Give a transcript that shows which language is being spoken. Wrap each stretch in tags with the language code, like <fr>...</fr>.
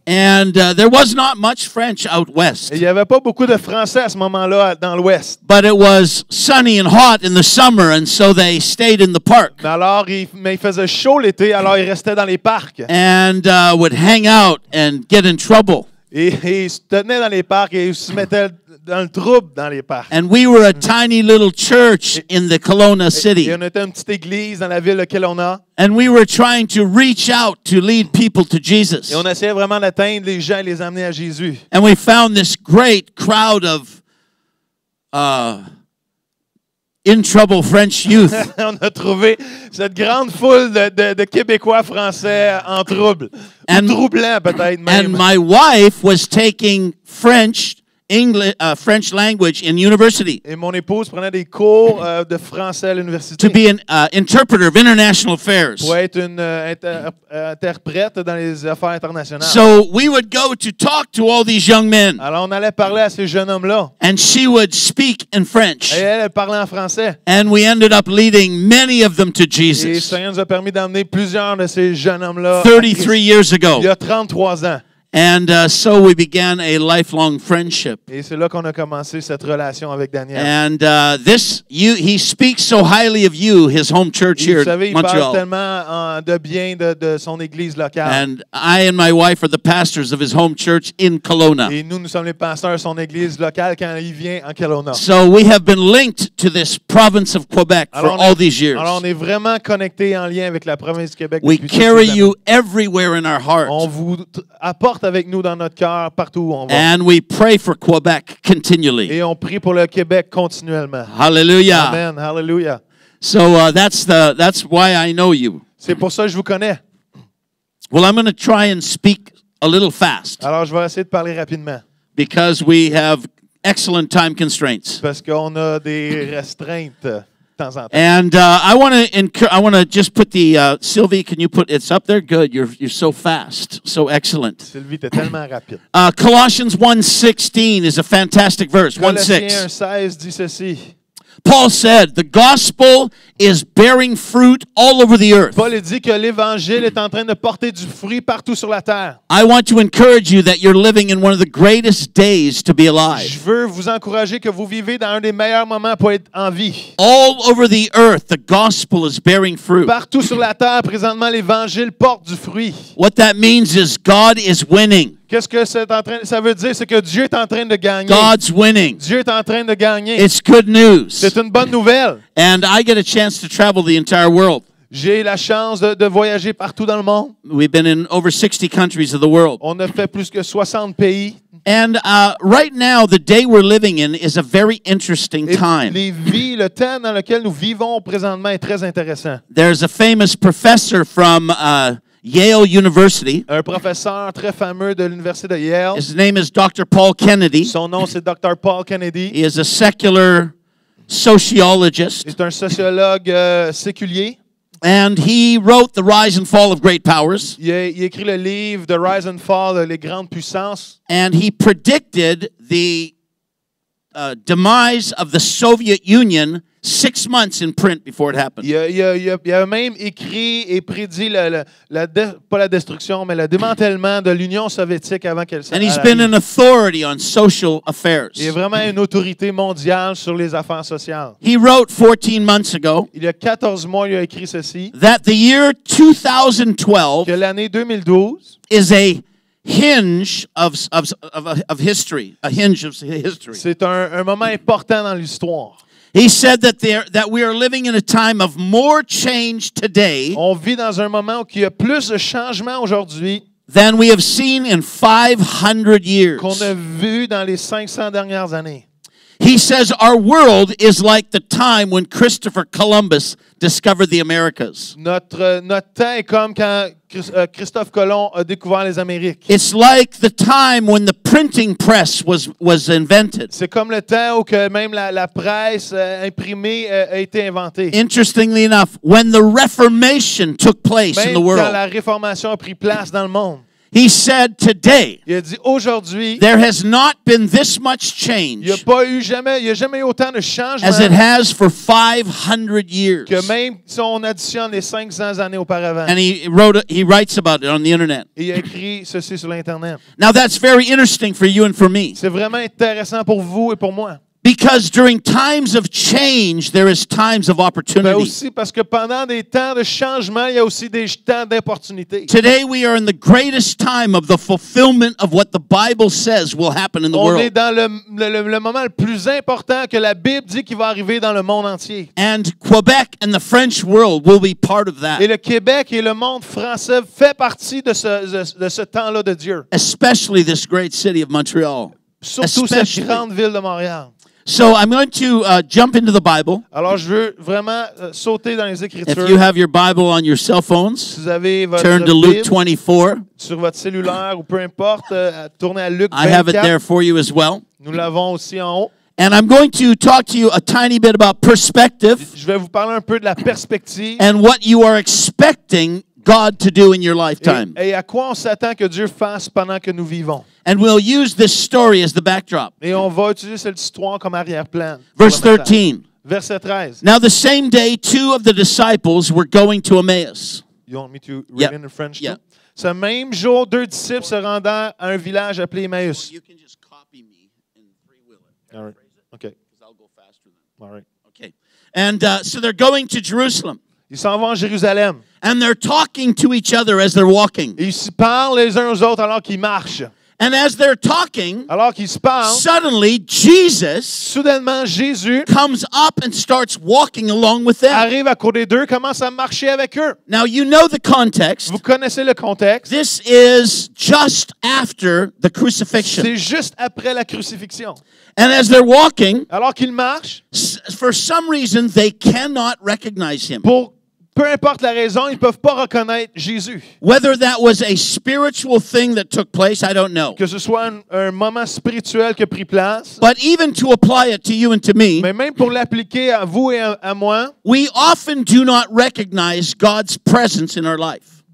<en>And there was not much French out west.</en> <fr>Il y avait pas beaucoup de français à ce moment-là dans l'ouest.</fr> <en>But it was sunny and hot in the summer, and so they stayed in the park.</en> <fr>Mais il faisait chaud l'été, alors ils restaient dans les parcs.</fr> <en>And would hang out and get in trouble.</en> <fr>Et ils se tenaient dans les parcs et ils se mettaient dans le trouble dans les parcs.</fr> <en>And we were a tiny little church in the Kelowna city.</en> <fr>Et on était une petite église dans la ville de Kelowna.</fr> <en>And we were trying to reach out to lead people to Jesus.</en> <fr>Et on essayait vraiment d'atteindre les gens et les amener à Jésus.</fr> <en>And we found this great crowd of in trouble French youth.</en> <fr>On a trouvé cette grande foule de Québécois français en trouble.</fr> <en>And,</en> <fr>ou troublant peut-être même.</fr> <en>And my wife was taking French language in university.</en> <fr>Et mon épouse prenait des cours de français à l'université.</fr> <en>To be an interpreter of international affairs.</en> <fr>Pour être une interprète dans les affaires internationales.</fr> <en>So we would go to talk to all these young men.</en> <fr>Alors on allait parler à ces jeunes hommes-là.</fr> <en>And she would speak in French.</en> <fr>Et elle parlait en français.</fr> <en>And we ended up leading many of them to Jesus.</en> <fr>Et le Seigneur nous a permis d'amener plusieurs de ces jeunes hommes-là.</fr> <en>33 years ago.</en> <fr>Il y a 33 ans.</fr> <en>And so we began a lifelong friendship.</en> <fr>Et c'est là qu'on a commencé cette relation avec Daniel.</fr> <en>And he speaks so highly of you, his home church here in Montreal.</en> <fr>Vous savez, il parle tellement de bien de son église locale.</fr> <en>And I and my wife are the pastors of his home church in Kelowna.</en> <fr>Et nous sommes les pasteurs de son église locale quand il vient en Kelowna.</fr> <en>So we have been linked to this province of Quebec all these years.</en> <fr>Alors on est vraiment connectés en lien avec la province du Québec.</fr> <en>We carry you everywhere in our hearts.</en> <fr>On vous apporte avec nous dans notre cœur partout où on va.</fr> <en>And we pray for Quebec continually.</en> <fr>Et on prie pour le Québec continuellement.</fr> <en>Hallelujah.</en> <fr>Amen. Hallelujah.</fr> <en>So that's why I know you.</en> <fr>C'est pour ça que je vous connais.</fr> <en>Well, I'm going to try and speak a little fast.</en> <fr>Alors je vais essayer de parler rapidement.</fr> <en>Because we have excellent time constraints.</en> <fr>Parce qu'on a des restreintes. temps en temps.</fr> <en>And I want to just put the Sylvie, can you put it's up there? Good. You're so fast. So excellent.</en> <fr>Sylvie, t'es tellement rapide.</fr> <en>Colossians 1:16 is a fantastic verse. 1:6.</en> <fr>Colossiens 1:16 dit ceci.</fr> <en>Paul said, the gospel is bearing fruit all over the earth.</en> <fr>Paul dit que l'évangile est en train de porter du fruit partout sur la terre.</fr> <en>I want to encourage you that you're living in one of the greatest days to be alive.</en> <fr>Je veux vous encourager que vous vivez dans un des meilleurs moments pour être en vie.</fr> <en>All over the earth, the gospel is bearing fruit.</en> <fr>Partout sur la terre, présentement, l'évangile porte du fruit.</fr> <en>What that means is God is winning.</en> <fr>Qu'est-ce que c'est en train, ça veut dire? C'est que Dieu est en train de gagner.</fr> <en>God's winning.</en> <fr>Dieu est en train de gagner.</fr> <en>It's good news.</en> <fr>C'est une bonne nouvelle.</fr> <en>And I get a chance to travel the entire world.</en> <fr>J'ai la chance de voyager partout dans le monde.</fr> <en>We've been in over 60 countries of the world.</en> <fr>On a fait plus que 60 pays.</fr> <en>And right now, the day we're living in is a very interesting time.</en> <fr>Les vies, le temps dans lequel nous vivons présentement est très intéressant.</fr> <en>There's a famous professor from Yale University.</en> <fr>Un professeur très fameux de l'université de Yale.</fr> <en>His name is Dr. Paul Kennedy.</en> <fr>Son nom c'est Dr. Paul Kennedy.</fr> <en>He is a secular sociologist.</en> <fr>Il est un sociologue séculier.</fr> <en>And he wrote The Rise and Fall of Great Powers.</en> <fr>Il écrit le livre The Rise and Fall les grandes puissances.</fr> <en>And he predicted the demise of the Soviet Union. 6 months in print before it happened.</en> <fr>Il a même écrit et prédit pas la destruction, mais le démantèlement de l'Union soviétique avant qu'elle s'arrête.</fr> <en>And he's been an authority on social affairs.</en> <fr>Il est vraiment une autorité mondiale sur les affaires sociales.</fr> <en>He wrote 14 months ago.</en> <fr>Il y a 14 mois, il a écrit ceci.</fr> <en>That the year 2012.</en> <fr>Que l'année 2012</fr> <en>is a hinge of history. A hinge of history.</en> <fr>C'est un moment important dans l'histoire.</fr> <en>He said that we are living in a time of more change today.</en> <fr>On vit dans un moment où il y a plus de changements aujourd'hui.</fr> <en>Than we have seen in 500 years.</en> <fr>Qu'on a vu dans les 500 dernières années.</fr> <en>He says our world is like the time when Christopher Columbus discovered the Americas.</en> <fr>Notre temps est comme quand Christophe Colomb a découvert les Amériques.</fr> <en>It's like the time when the printing press was invented.</en> <fr>C'est comme le temps où que même la presse imprimée a été inventée.</fr> <en>Interestingly enough, when the Reformation took place</en> <fr>même</fr> <en>in the world.</en> <fr>Quand la Réformation a pris place dans le monde.</fr> <en>He said today,</en> <fr>il a dit aujourd'hui,</fr> <en>there has not been this much change</en> <fr>il y a jamais eu autant de changement</fr> <en>as it has for 500 years.</en> <fr>Que même si on additionne les 500 années auparavant.</fr> <en>And he writes about it on the internet.</en> <fr>Il a écrit ceci sur l'internet.</fr> <en>Now that's very interesting for you and for me.</en> <fr>C'est vraiment intéressant pour vous et pour moi.</fr> <en>Because during times of change, there is times of opportunity.</en> <fr>Mais aussi parce que pendant des temps de changement, il y a aussi des temps d'opportunité.</fr> <en>Today we are in the greatest time of the fulfillment of what the Bible says will happen in the world.</en> <fr>On est dans le moment le plus important que la Bible dit qu'il va arriver dans le monde entier.</fr> <en>And Quebec and the French world will be part of that.</en> <fr>Et le Québec et le monde français fait partie de ce temps-là de Dieu.</fr> <en>Especially this great city of Montreal.</en> <fr>Surtout cette grande ville de Montréal.</fr> <en>So I'm going to jump into the Bible.</en> <fr>Alors, je veux vraiment sauter dans les Écritures.</fr> <en>If you have your Bible on your cell phones,</en> <fr>si vous avez votre</fr> <en>turn to Luke 24.</en> <fr>Sur votre cellulaire, ou peu importe, tournez à Luc 24.</fr> <en>I have it there for you as well.</en> <fr>Nous l'avons aussi en haut.</fr> <en>And I'm going to talk to you a tiny bit about perspective.</en> <fr>Je vais vous parler un peu de la perspective.</fr> <en>And what you are expecting God to do in your lifetime.</en> <fr>Et à quoi on s'attend que Dieu fasse pendant que nous vivons.</fr> <en>And we'll use this story as the backdrop.</en> <fr>Et on va utiliser cette histoire comme arrière-plan.</fr> <en>Verse 13.</en> <fr>Verset 13.</fr> <en>Now the same day, two of the disciples were going to Emmaus. You want me to read yep. in the French? Yeah.</en> <fr>Ce même jour, deux disciples se rendaient à un village appelé Emmaus.</fr> <en>You can just copy me and freewheel it. All right. Okay. Because I'll go faster than that. All right. Okay. And so they're going to Jerusalem.</en> <fr>Ils s'en vont à Jérusalem.</fr> <en>And they're talking to each other as they're walking.</en> <fr>Ils se parlent les uns aux autres alors qu'ils marchent.</fr> <en>And as they're talking,</en> <fr>alors qu'ils se parlent,</fr> <en>suddenly Jesus</en> <fr>soudainement, Jésus comes up and starts walking along with them. Arrive à côté d'eux, commence à marcher avec eux.</fr> <en>Now you know the context.</en> <fr>Vous connaissez le contexte.</fr> <en>This is just after the crucifixion.</en> <fr>C'est juste après la crucifixion.</fr> <en>And as they're walking,</en> <fr>alors qu'ils marchent,</fr> <en>for some reason they cannot recognize him.</en> <fr>Pour Peu importe la raison, ils peuvent pas reconnaître Jésus.</fr> <en>Whether that was a spiritual thing that took place, I don't know.</en> <fr>Que ce soit un moment spirituel qui a pris place.</fr> <en>But even to apply it to you and to me.</en> <fr>Mais même pour l'appliquer à vous et à moi.</fr> <en>We often do not recognize God's presence in our life.</en>